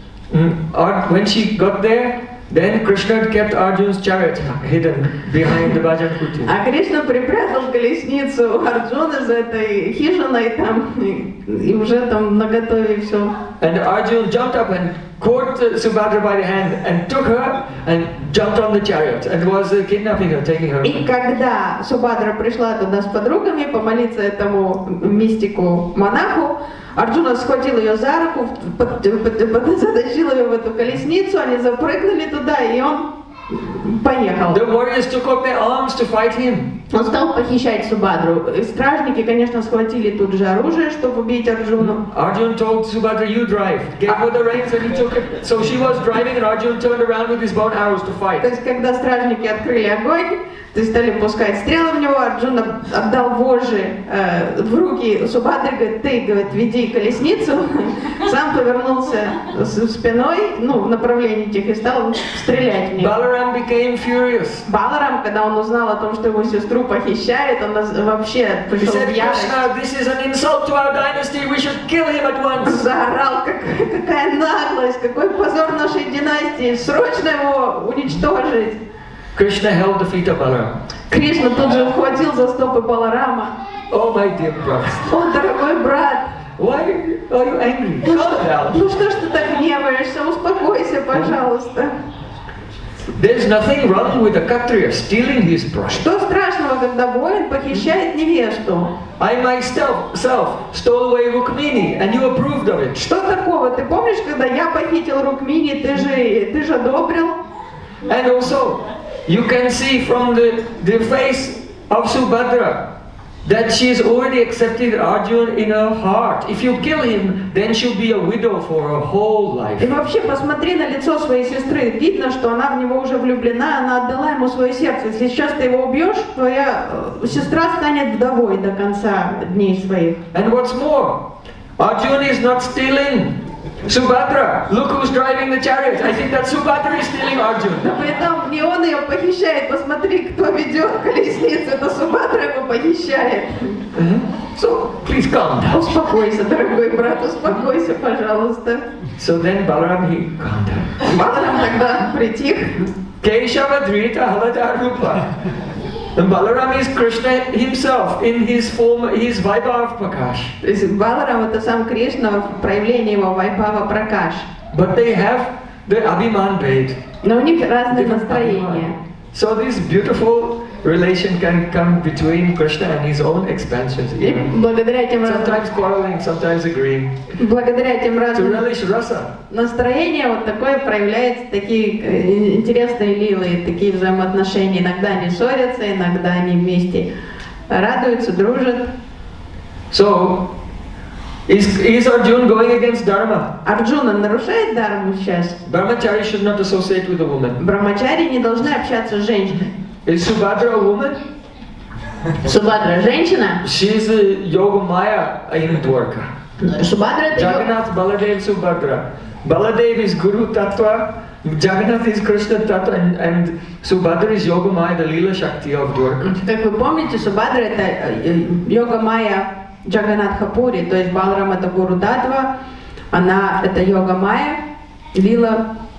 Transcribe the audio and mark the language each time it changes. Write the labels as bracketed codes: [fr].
[en] And when she got there, then Krishna kept Arjuna's chariot hidden behind the bhajan kutir. [ru] А Кришна припрятал колесницу Арджуны за этой хижиной там и уже там наготове все. [en] And Arjuna jumped up and caught Subhadra by the hand and took her and jumped on the chariot and was kidnapping her, taking her. [ru] И когда Субхадра пришла туда с подругами помолиться этому мистику монаху, Арджуна схватил ее за руку, затащил ее в эту колесницу, они запрыгнули туда, и он поехал. [en] The warriors took up their arms to fight him. [ru] Он стал похищать Субхадру. Стражники, конечно, схватили тут же оружие, чтобы убить Арджуну. [en] Arjuna told Subhadra, "You drive." Gave her the reins, and he took it. So she was driving, and Arjuna turned around with his bow and arrows to fight. [ru] То есть, когда стражники открыли огонь, то есть стали пускать стрелы в него, Арджуна отдал вожжи в руки Субхадры, говорит, ты, говорит, веди колесницу. Сам повернулся спиной, ну, в направлении тех, и стал стрелять в них. [en] Баларам became furious. [ru] Баларам, когда он узнал о том, что его сестру похищает, он вообще пришел в ярость. [en] He said, "Krishna, this is an insult to our dynasty, we should kill him at once." [ru] Заорал, какая наглость, какой позор нашей династии, срочно его уничтожить. [en] Krishna held the feet of Balarama. [ru] Кришна тут же ухватил за стопы Баларама. [en] Oh, my dear brother. [ru] О, дорогой брат. [en] Why are you angry? [ru] Ну что ж ты так гневаешься? Успокойся, пожалуйста. [en] There's nothing wrong with a Kshatriya stealing his bride. [ru] Что страшного, когда воин похищает невесту? [en] I myself stole away Rukmini, and you approved of it. [ru] Что такого? Ты помнишь, когда я похитил Рукмини, ты же одобрил? [en] And also, you can see from the face of Subhadra that she has already accepted Arjuna in her heart. If you kill him, then she'll be a widow for her whole life. [ru] И вообще посмотри на лицо своей сестры. Видно, что она в него уже влюблена. Она отдала ему свое сердце. Если сейчас ты его убьешь, твоя сестра станет вдовой до конца дней своих. [en] And what's more, Arjuna is not stealing Subhadra, look who's driving the chariot. I think that Subhadra is stealing Arjuna. [ru] Но при этом не он ее похищает. Посмотри, кто ведет колесницу. Это Субхадра его похищает. [en] So, please calm down. [ru] Успокойся, дорогой брат, успокойся, пожалуйста. [en] So then Balaram, he calmed down. [ru] Баларам тогда притих. [sa] Кейшава Дрита Халата Рупа. [en] And Balaram is Krishna himself in his form, his Vaibhav Prakash. [ru] Balaram это сам Кришна в проявлении его Вайбава Пракаш. [en] But they have the Abhiman bait. [ru] Но у них разные настроения. [en] So this beautiful relation can come between Krishna and his own expansions. [ru] Благодаря тем [en] sometimes quarreling, sometimes agreeing. [ru] Благодаря тем разным. [en] To relish rasa. [ru] Настроение вот такое проявляется, такие интересные лилы, такие взаимоотношения. Иногда они ссорятся, иногда они вместе радуются, дружат. [en] So, is Arjuna going against dharma? [ru] Арджуна нарушает дхарму сейчас. [en] Brahmachari should not associate with a woman. [ru] Брахмачари не должны общаться с женщиной. [en] Is Subhadra a woman? [ru] Субхадра женщина? [en] She's a yoga maya in dwarka. [ru] Субхадра это [en] Jagannath, Baladev, Subhadra. Baladev is Guru Tattva, Jagannath is Krishna Tattva, and Subhadra is Yoga Maya, the Lila Shakti of Dwarka. [ru] Как вы помните, Субхадра это Йога Майя Джаганатха Пури, то есть Баларама это Гуру Татва, она это Йога Майя, Лила